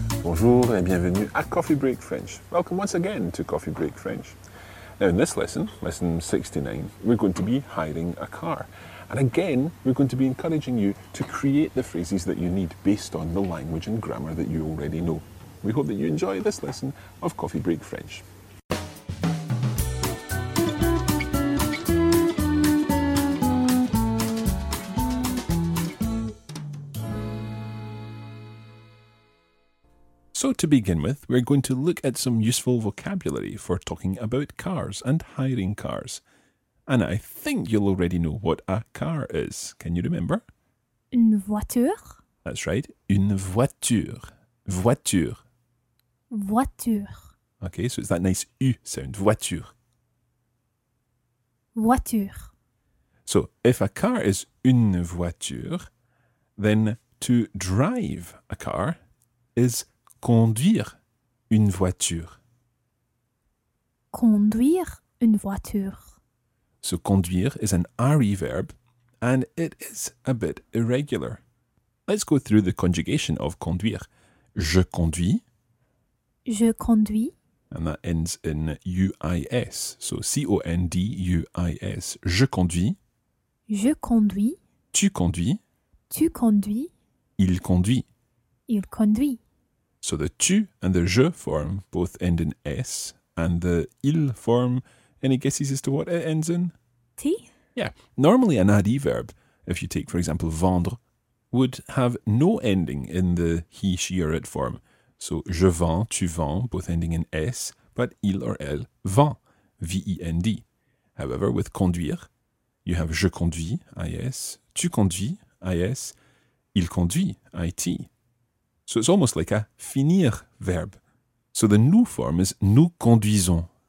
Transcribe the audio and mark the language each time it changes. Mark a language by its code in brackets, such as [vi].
[fr] Bonjour et bienvenue à Coffee Break French. [en] Welcome once again to Coffee Break French. Now in this lesson, lesson 69, we're going to be hiring a car. And again, we're going to be encouraging you to create the phrases that you need based on the language and grammar that you already know. We hope that you enjoy this lesson of Coffee Break French. So to begin with, we're going to look at some useful vocabulary for talking about cars and hiring cars. And I think you'll already know what a car is. Can you remember? [fr] Une voiture. [en] That's right. [fr] Une voiture. Voiture. Voiture. [en] Okay, so it's that nice U sound. [fr] Voiture. Voiture. [en] So if a car is [fr] une voiture, [en] then to drive a car is [fr] conduire une voiture. Conduire une voiture. [en] So conduire is an RE verb and it is a bit irregular. Let's go through the conjugation of conduire. [fr] Je conduis. Je conduis. [en] And that ends in U-I-S. So C-O-N-D-U-I-S. [fr] Je conduis. Je conduis. Tu conduis. Tu conduis. Il conduit. Il conduit. [en] So the tu and the je form both end in S and the il form, any guesses as to what it ends in? T? Yeah. Normally an adi verb, if you take for example vendre, would have no ending in the he, she or it form. So [fr] je vends, tu vends, [en] both ending in S, but il or [fr] elle vend, [en] V-E-N-D. However, with conduire, you have [fr] je conduis, [en] I-S, [fr] tu conduis, [en] I-S, [fr] il conduit, [en] I-T. So it's almost like a finir verb. So the nous form is [fr] nous conduisons.